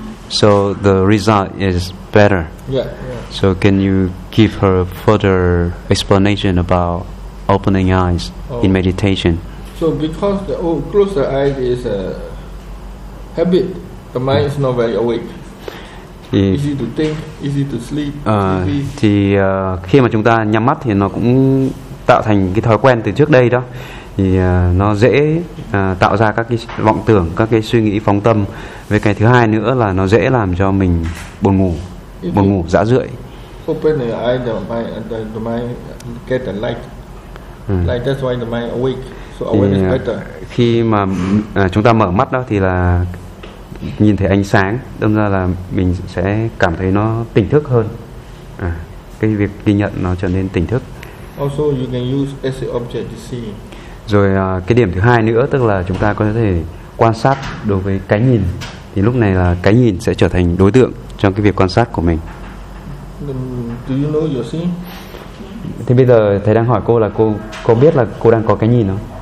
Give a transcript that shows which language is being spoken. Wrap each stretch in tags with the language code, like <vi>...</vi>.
<en>So the result is better. Yeah. So can you give her further explanation about opening eyes in meditation? So because the close the eyes is a habit, the mind is not very awake. Easy to think, easy to sleep.</en> <vi>Thì khi mà chúng ta nhắm mắt thì nó cũng tạo thành cái thói quen từ trước đây đó. Thì nó dễ tạo ra các cái vọng tưởng, các cái suy nghĩ phóng tâm. Với cái thứ hai nữa là nó dễ làm cho mình buồn ngủ, dã rượi.</vi> <en>Open the eyes, the mind get the light. Like that's why the mind awake. So awake is better.</en> <vi>Khi mà chúng ta mở mắt đó thì là nhìn thấy ánh sáng, đâm ra là mình sẽ cảm thấy nó tỉnh thức hơn. À, cái việc ghi nhận nó trở nên tỉnh thức.</vi> <en>Also you can use as an object to see.</en> <vi>Rồi cái điểm thứ hai nữa tức là chúng ta có thể quan sát đối với cái nhìn, thì lúc này là cái nhìn sẽ trở thành đối tượng trong cái việc quan sát của mình.</vi> <en>Do you know your seeing?</en> <vi>Thì bây giờ thầy đang hỏi cô là cô biết là cô đang có cái nhìn không?</vi>